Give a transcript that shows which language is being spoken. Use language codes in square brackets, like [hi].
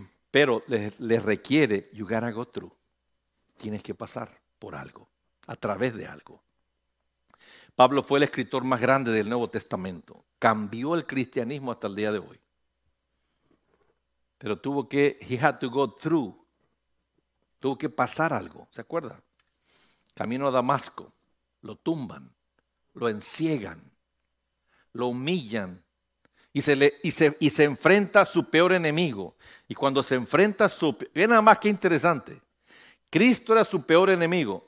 [es] Pero les requiere, [en] you gotta go through. [es] Tienes que pasar por algo, a través de algo. Pablo fue el escritor más grande del Nuevo Testamento. Cambió el cristianismo hasta el día de hoy. Pero tuvo que, [en] he had to go through. [es] Tuvo que pasar algo, ¿se acuerda? Camino a Damasco, lo tumban, lo enciegan, lo humillan. Y se enfrenta a su peor enemigo. Y cuando se enfrenta a su... Ve nada más qué interesante. Cristo era su peor enemigo.